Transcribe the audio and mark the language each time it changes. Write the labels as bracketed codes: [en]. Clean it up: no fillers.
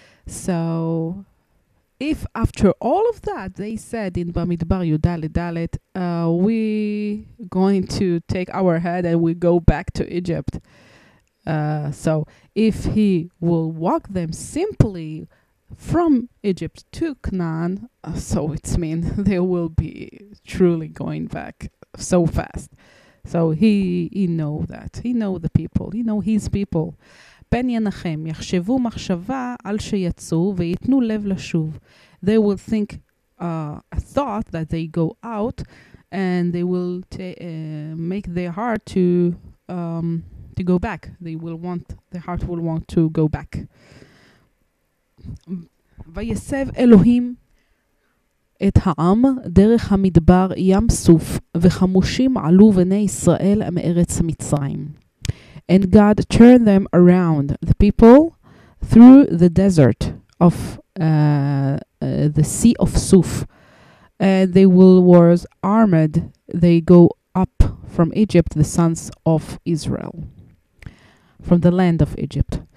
[en] So if after all of that they said in Bamidbar Yudalet Dalet, we going to take our head and we go back to Egypt. So if he will walk them simply from Egypt to Canaan, so it means they will be truly going back so fast. So he know that. He know the people. He know his people. [he] פן ינחם, יחשבו מחשבה על שיצאו ויתנו לב לשוב. [en] They will think a thought that they go out and they will make their heart to go back. Their heart will want to go back. [he] ויסב אלוהים את העם דרך המדבר ים סוף, וחמושים עלו בני ישראל מארץ מצרים. [en] And God turned them around, the people, through the desert of the Sea of Suf. And they were armored. They go up from Egypt, the sons of Israel, from the land of Egypt.